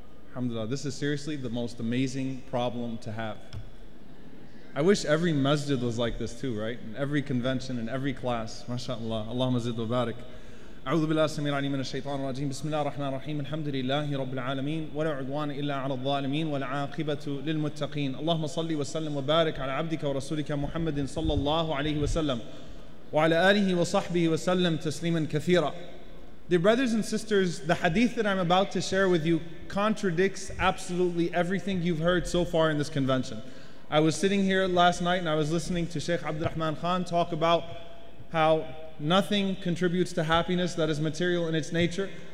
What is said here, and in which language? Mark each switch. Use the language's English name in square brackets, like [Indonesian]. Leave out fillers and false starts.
[English] Alhamdulillah, this is seriously the most amazing problem to have. I wish every masjid was like this too, right? In every convention, in every class. [Arabic] MashaAllah, Allahumma zid wa barak. أعوذ بالله السميع العليم من الشيطان الرجيم بسم الله الرحمن الرحيم الحمد لله رب العالمين ولا عدوان إلا على الظالمين والعاقبة للمتقين اللهم صل وسلم وبارك على عبدك ورسولك محمد صلى الله عليه وسلم وعلى آله وصحبه وسلم تسليما كثيرا. [English] Dear brothers and sisters, the hadith that I'm about to share with you contradicts absolutely everything you've heard so far in this convention. I was sitting here last night and I was listening to Sheikh Abdul Rahman Khan talk about how nothing contributes to happiness that is material in its nature.